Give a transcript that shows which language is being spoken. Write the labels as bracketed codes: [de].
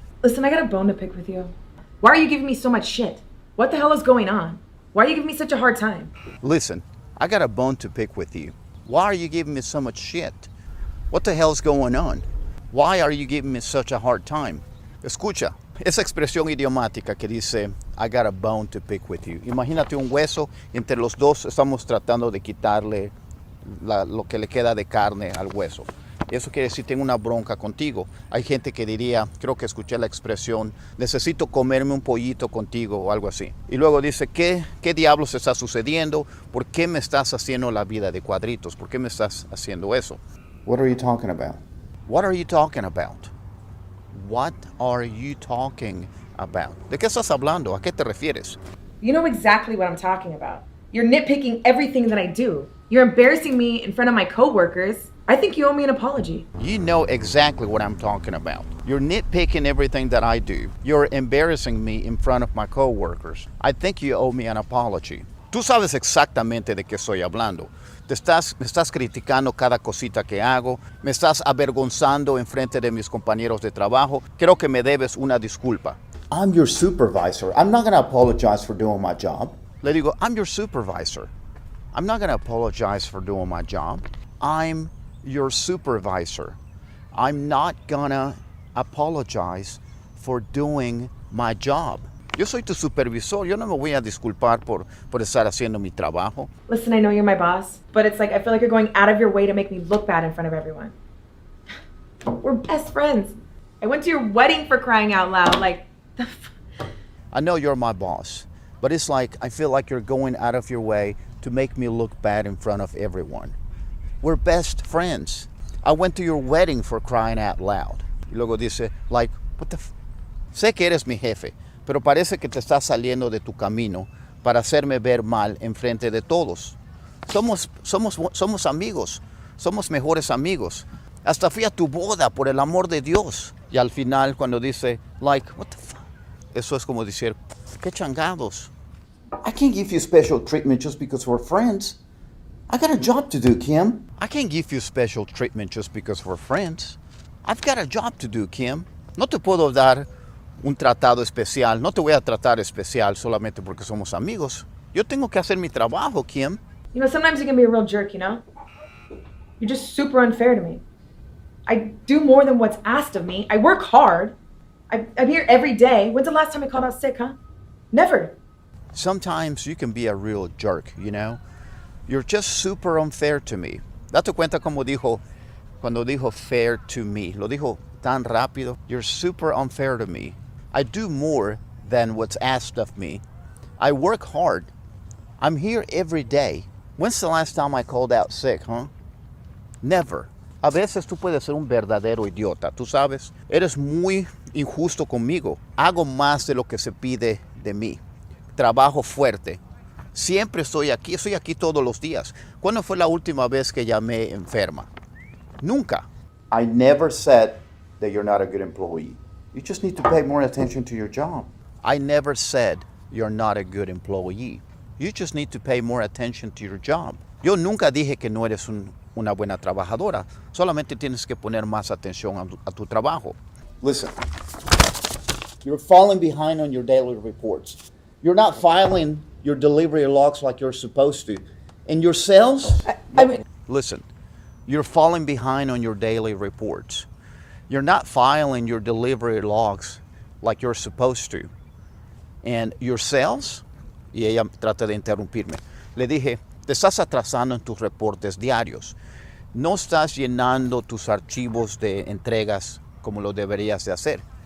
[en] Listen, I got a bone to pick with you. Why are you giving me so much shit? What the hell is going on? Why are you giving me such a hard time? Listen, I got a bone to pick with you. Why are you giving me so much shit? What the hell is going on? Why are you giving me such a hard time? [es] Escucha, esa expresión idiomática que dice, [en] I got a bone to pick with you. [es] Imagínate un hueso, entre los dos estamos tratando de quitarle lo que le queda de carne al hueso. Eso quiere decir, tengo una bronca contigo. Hay gente que diría, creo que escuché la expresión, necesito comerme un pollito contigo o algo así. Y luego dice, ¿qué diablos está sucediendo? ¿Por qué me estás haciendo la vida de cuadritos? ¿Por qué me estás haciendo eso? [en] What are you talking about? What are you talking about? What are you talking about? [es] ¿De qué estás hablando? ¿A qué te refieres? [en] You know exactly what I'm talking about. You're nitpicking everything that I do. You're embarrassing me in front of my coworkers. I think you owe me an apology. You know exactly what I'm talking about. You're nitpicking everything that I do. You're embarrassing me in front of my coworkers. I think you owe me an apology. [es] Tú sabes exactamente de qué estoy hablando. Me estás criticando cada cosita que hago. Me estás avergonzando en frente de mis compañeros de trabajo. Creo que me debes una disculpa. [en] I'm your supervisor. I'm not going to apologize for doing my job. [es] Le digo, [en] I'm your supervisor. I'm not going to apologize for doing my job. I'm your supervisor. I'm not gonna apologize for doing my job. [es] Yo soy tu supervisor. Yo no me voy a disculpar por estar haciendo mi trabajo. [en] Listen, I know you're my boss, but it's like I feel like you're going out of your way to make me look bad in front of everyone. We're best friends. I went to your wedding for crying out loud. Like, the I know you're my boss, but it's like I feel like you're going out of your way to make me look bad in front of everyone. We're best friends. I went to your wedding for crying out loud. [es] Y luego dice, [en] like, what the f... [es] Sé que eres mi jefe, pero parece que te estás saliendo de tu camino para hacerme ver mal en frente de todos. Somos amigos. Somos mejores amigos. Hasta fui a tu boda, por el amor de Dios. Y al final, cuando dice, [en] like, what the f... [es] Eso es como decir, qué changados. [en] I can't give you special treatment just because we're friends. I got a job to do, Kim. I can't give you special treatment just because we're friends. I've got a job to do, Kim. [es] No te puedo dar un tratado especial. No te voy a tratar especial solamente porque somos amigos. Yo tengo que hacer mi trabajo, Kim. [en] You know, sometimes you can be a real jerk, you know? You're just super unfair to me. I do more than what's asked of me. I work hard. I'm here every day. When's the last time I called out sick, huh? Never. Sometimes you can be a real jerk, you know? You're just super unfair to me. [es] Date cuenta como dijo, cuando dijo [en] fair to me. [es] Lo dijo tan rápido. [en] You're super unfair to me. I do more than what's asked of me. I work hard. I'm here every day. When's the last time I called out sick, huh? Never. [es] A veces tú puedes ser un verdadero idiota, tú sabes. Eres muy injusto conmigo. Hago más de lo que se pide de mí. Trabajo fuerte. Siempre estoy aquí todos los días. ¿Cuándo fue la última vez que llamé enferma? Nunca. [en] I never said that you're not a good employee. You just need to pay more attention to your job. I never said you're not a good employee. You just need to pay more attention to your job. [es] Yo nunca dije que no eres una buena trabajadora. Solamente tienes que poner más atención a tu trabajo. [en] Listen, you're falling behind on your daily reports. You're not filing your delivery logs like you're supposed to. And your sales? Listen, you're falling behind on your daily reports. You're not filing your delivery logs like you're supposed to. And your sales? [es] Y ella trata de interrumpirme. Le dije, te estás atrasando en tus reportes diarios. No estás llenando tus archivos de entregas como lo deberías de hacer.